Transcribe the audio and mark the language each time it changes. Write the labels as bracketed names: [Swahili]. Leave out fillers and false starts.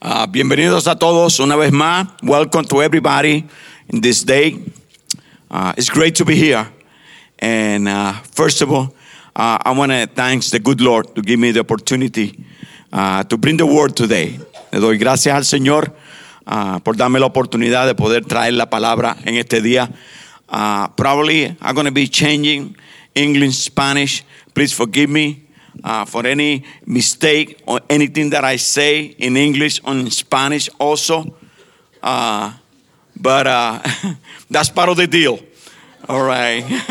[Spanish] Bienvenidos a todos una vez más. [English] Welcome to everybody in this day. It's great to be here. And first of all, I want to thank the good Lord to give me the opportunity to bring the word today. [Spanish] Le doy gracias al Señor por darme la oportunidad de poder traer la palabra en este día. [English] Probably I'm going to be changing English, Spanish. Please forgive me for any mistake or anything that I say in English or in Spanish also. But that's part of the deal. All right.